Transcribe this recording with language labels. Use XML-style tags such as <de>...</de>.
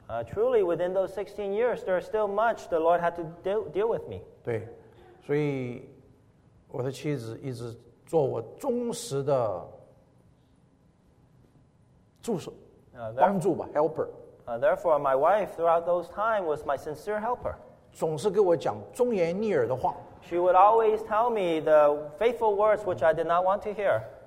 <en>Truly, within those 16 years, there is still much the Lord had to deal with me.</en> <zh>对，所以我的妻子一直做我忠实的助手，帮助吧，helper。</zh> <en>Therefore, my wife throughout those times was my sincere helper.</en> <zh>总是给我讲忠言逆耳的话。</zh> <en>She would always tell me the faithful words which I did not want to hear.</en>